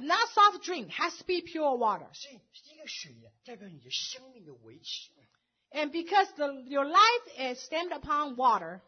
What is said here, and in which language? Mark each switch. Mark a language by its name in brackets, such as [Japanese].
[English] Not soft drink, has to be pure water. [Chinese] 所以这个水啊代表你的生命的维持。 [English] And because your life is stemmed upon water,